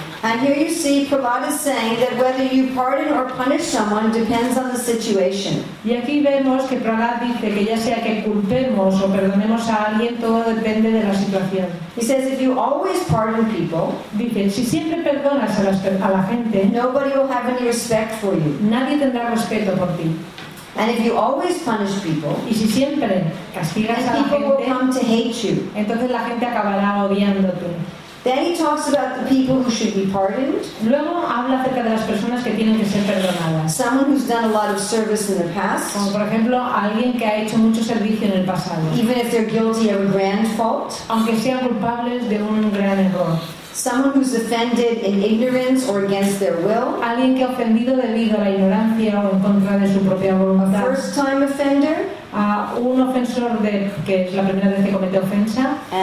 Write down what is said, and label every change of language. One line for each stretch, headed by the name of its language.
English: And here you see Prahlad is saying that whether you pardon or punish someone depends on the situation.
Spanish: Y aquí vemos que Prahlad dice que ya sea que culpemos o perdonemos a alguien, todo depende de la situación.
English: He says if you always pardon people,
Spanish: dice, si siempre perdonas a la gente,
English: nobody will have any respect for you.
Spanish: Nadie tendrá respeto por ti.
English: And if you always punish people,
Spanish: y si siempre castigas a la gente,
English: people will come to hate you.
Spanish: Entonces la gente acabará odiándote.
English: Then he talks about the people who should be pardoned.
Spanish: Luego habla acerca de las personas que tienen que ser perdonadas.
English: Someone who's done a lot of service in the past.
Spanish: Como por ejemplo, alguien que ha hecho mucho servicio en el pasado.
English: Even if they're guilty of a grand fault.
Spanish: Aunque sean culpables de un gran error.
English: Someone who's offended in ignorance or against their will.
Spanish: Alguien que ha ofendido debido a la ignorancia o en contra de su propia voluntad.
English: A first-time offender.
Spanish: A un ofensor de que es la primera vez que comete ofensa.